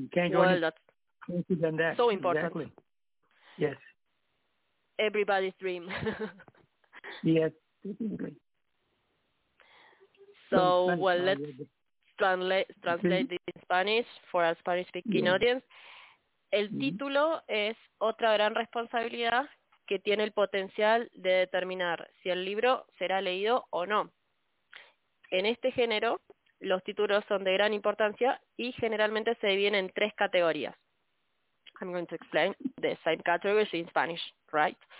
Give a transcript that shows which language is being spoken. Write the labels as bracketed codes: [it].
[en] You can't go closer than that. So important. Exactly. Yes. Everybody's dream. Yes, definitely. So, well, let's translate this in Spanish for our Spanish-speaking audience. [es] El título es otra gran responsabilidad que tiene el potencial de determinar si el libro será leído o no. En este género, los títulos son de gran importancia y generalmente se dividen en tres categorías. [en] I'm going to explain the same categories in Spanish, right?